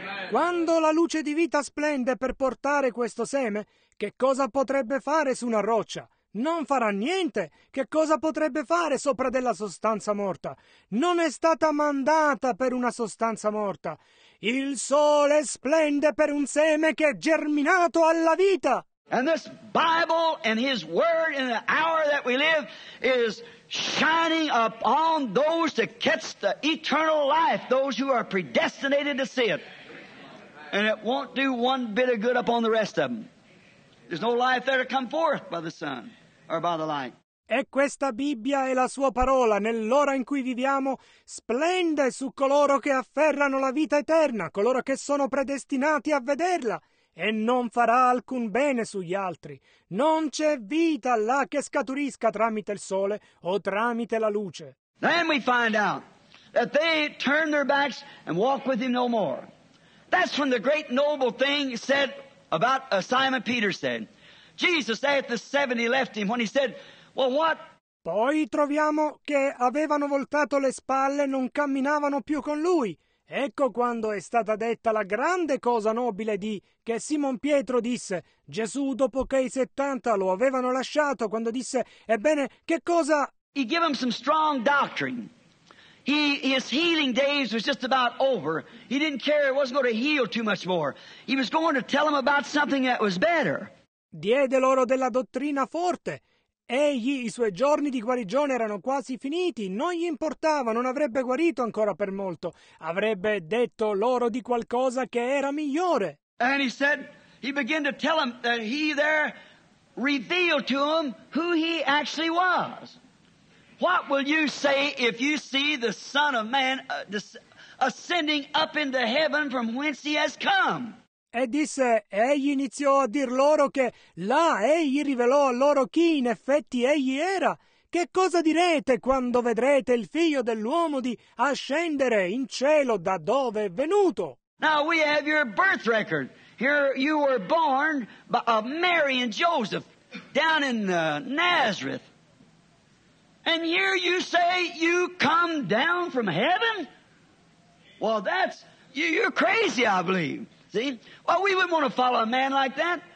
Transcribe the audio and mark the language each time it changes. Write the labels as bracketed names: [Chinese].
[Italian] Quando la luce di vita splende per portare questo seme, che cosa potrebbe fare su una roccia? Non farà niente. Che cosa potrebbe fare sopra della sostanza morta? Non è stata mandata per una sostanza morta. Il sole splende per un seme che è germinato alla vita. [English] And this Bible and His Word in the hour that we live is shining upon those to catch the eternal life, those who are predestinated to see it. And it won't do one bit of good upon the rest of them. There's no life there to come forth by the sun or by the light. [Italian] E questa Bibbia e la sua parola, nell'ora in cui viviamo, splende su coloro che afferrano la vita eterna, coloro che sono predestinati a vederla. E non farà alcun bene sugli altri. Non c'è vita là che scaturisca tramite il sole o tramite la luce. [English] Then we find out that they turn their backs and walk with him no more. That's when the great noble thing said about Simon Peter said. Jesus at the 70 left him when he said, well, what? [Italian] Poi troviamo che avevano voltato le spalle e non camminavano più con lui. Ecco quando è stata detta la grande cosa nobile di che Simon Pietro disse Gesù dopo che i 70 lo avevano lasciato, quando disse, ebbene, che cosa? [English] He gave him some strong doctrine. His healing days was just about over. He didn't care, he wasn't going to heal too much more. He was going to tell him about something that was better. [Italian] Diede loro della dottrina forte. Egli, i suoi giorni di guarigione erano quasi finiti, non gli importava, non avrebbe guarito ancora per molto. Avrebbe detto loro di qualcosa che era migliore. [English] And he said, he began to tell them that he there revealed to them who he actually was. What will you say if you see the Son of Man ascending up into heaven from whence he has come? [Italian] E disse, egli iniziò a dir loro che là egli rivelò a loro chi in effetti egli era. Che cosa direte quando vedrete il figlio dell'uomo di ascendere in cielo da dove è venuto? [English] Now we have your birth record. Here you were born of Mary and Joseph down in Nazareth. And here you say you come down from heaven? Well, that's, you're crazy, I believe. See? Well, we wouldn't want to follow a man like that.